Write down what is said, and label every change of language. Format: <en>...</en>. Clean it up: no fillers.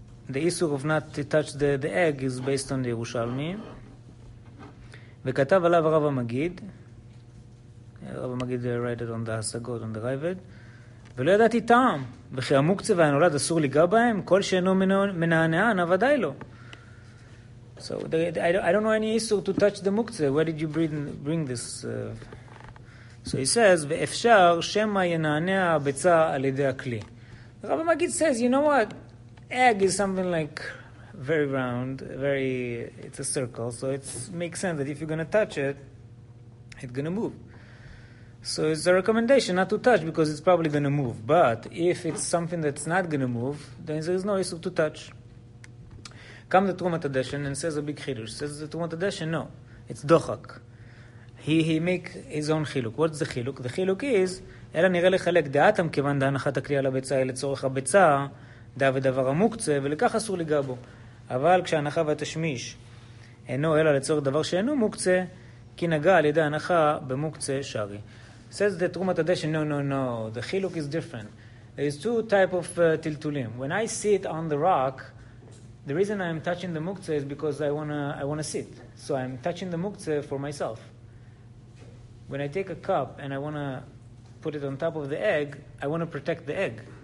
<en>The issue of not to touch the egg is based on the Yerushalmi.</en> <he>וכתב עליו הרב המגיד, הרב המגיד</he> <en>write it on the</en> <he>השגות,</he> <en>on the</en> <he>ריבד, ולא ידעתי טעם, וכי המוקצה והנולד אסור לגע בהם, כל שאינו מנענען, ודאי לא.</he> <en>So, I don't know any issue to touch the מוקצה. Where did you bring this? So he says,</en> <he>ואפשר שמה ינענע הביצה על ידי הכלי.</he> <en>Rabbi Magid says, you know what? Egg is something like very round, it's a circle, so it makes sense that if you're going to touch it, it's going to move. So it's a recommendation not to touch because it's probably going to move. But if it's something that's not going to move, then there is no issue to touch. Come the Trumat Adeshen and says a big chiddush. Says the Trumat Adeshen, no, it's dochak. He make his own chiluk. What's the chiluk? The chiluk is,</en> <he>אלא נראה לחלק דעתם כיוון דהנחת הכלי על הביצה לצורך הביצה דה ודבר המוקצה ולכך אסור לגע בו אבל כשהנחה והתשמיש אינו אלא לצורך דבר שאינו מוקצה כי נגע על ידי הנחה במוקצה שרי</he> <en>says the Trumat Adeshen no the חילוק is different. There is two type of tiltulim. When I sit on the rock, the reason I am touching the muktzeh is because I want to sit, so I'm touching the muktzeh for myself. When I take a cup and I want to put it on top of the egg, I want to protect the egg.</en>